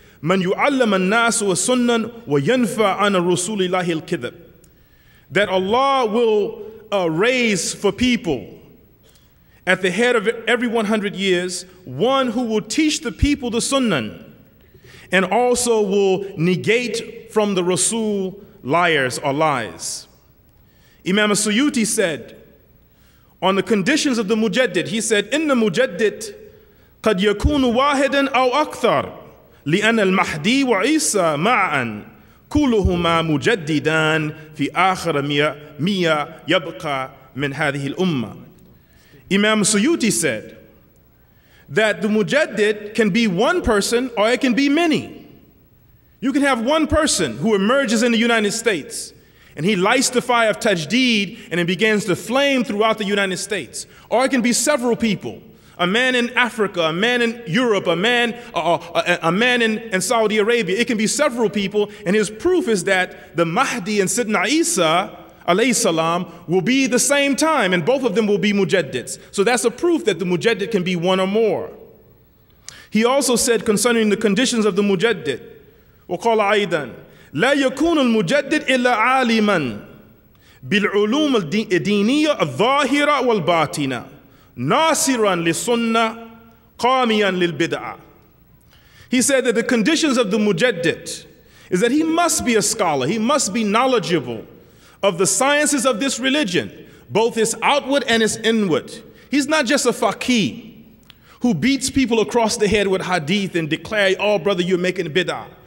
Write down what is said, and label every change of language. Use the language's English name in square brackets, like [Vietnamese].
[Arabic] من يعلم الناس وسنن وينفع عن رسول الله الكذب. [English] That Allah will raise for people at the head of every 100 years one who will teach the people the sunnan and also will negate from the Rasul liars or lies. Imam Suyuti said, on the conditions of the Mujaddid, he said, [Arabic] إِنَّ مُجَدِّدْ قَدْ يَكُونُ وَاحِدًا أَوْ أَكْثَرْ لِأَنَّ الْمَحْدِي وَعِيسَى مَعًا كُلُهُمَا مُجَدِّدًا فِي آخَرَ مِيَا يَبْقَى مِنْ هَذِهِ الْأُمَّةِ. [English] Imam Suyuti said that the Mujaddid can be one person or it can be many. You can have one person who emerges in the United States and he lights the fire of Tajdeed and it begins to flame throughout the United States. Or it can be several people, a man in Africa, a man in Europe, a man in Saudi Arabia. It can be several people, and his proof is that the Mahdi and Sidna Isa alayhi salam will be the same time and both of them will be Mujaddids. So that's a proof that the Mujaddid can be one or more. He also said concerning the conditions of the Mujaddid, [Arabic] وقال أيضا لا يكون المجدد إلا عالما بالعلوم الدينية الظاهرة والباطنة ناصرا للسنة قاميا للبدعة. [English] He said that the conditions of the Mujaddid is that he must be a scholar, he must be knowledgeable of the sciences of this religion, both its outward and its inward. He's not just a faqih who beats people across the head with hadith and declare, oh brother, you're making bid'ah.